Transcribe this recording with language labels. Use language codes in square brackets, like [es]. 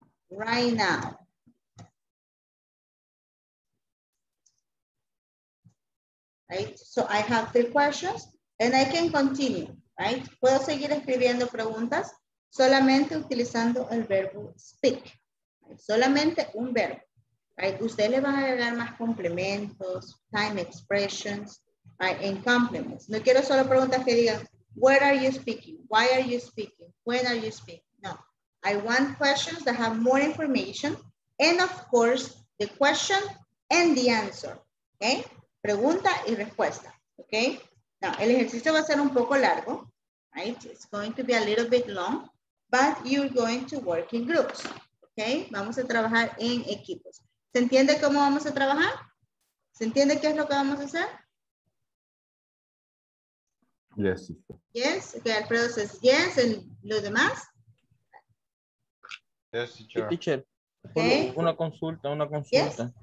[en] Right now. Right? So I have three questions and I can continue, right? [es] Puedo seguir escribiendo preguntas solamente utilizando el verbo speak. Right? Solamente un verbo. Right? Usted le va a agregar más complementos, [en] time expressions, right? And compliments. [es] No quiero solo preguntas que digan, [en] where are you speaking? Why are you speaking? When are you speaking? No. I want questions that have more information and of course the question and the answer. [es] Okay? Pregunta y respuesta. Okay? Now, el ejercicio va a ser un poco largo, right? [en] It's going to be a little bit long, but you're going to work in groups. [es] Okay? Vamos a trabajar en equipos. ¿Se entiende cómo vamos a trabajar? ¿Se entiende qué es lo que vamos a hacer? [en] Yes. Yes. Okay, Alfredo says yes, and [es] los demás. [en] Yes, teacher. Hey, teacher. Okay. [es] Una consulta. [en] Yes.